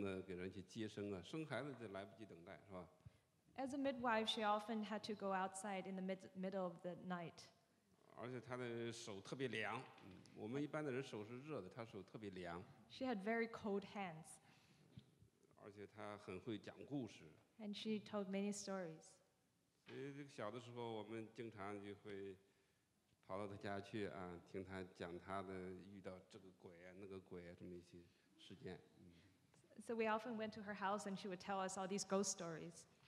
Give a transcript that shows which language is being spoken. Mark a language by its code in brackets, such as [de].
[zh] 在我们这个高米东北乡这个鬼话横行的那么一个地方，她经常半夜三更的给人去接生啊，生孩子就来不及等待，是吧？ [en] As a midwife, she often had to go outside in the middle of the night. [zh] 而且她的手特别凉，我们一般的人手是热的，她手特别凉。 [en] She had very cold hands. [zh] 而且她很会讲故事。 [en] And she told many stories. [zh] 所以这个小的时候，我们经常就会。跑到他家去啊，听他讲他的遇到这个鬼啊、那个鬼啊这么一些事件。 [en] So we often went to her house and she would tell us all these ghost stories.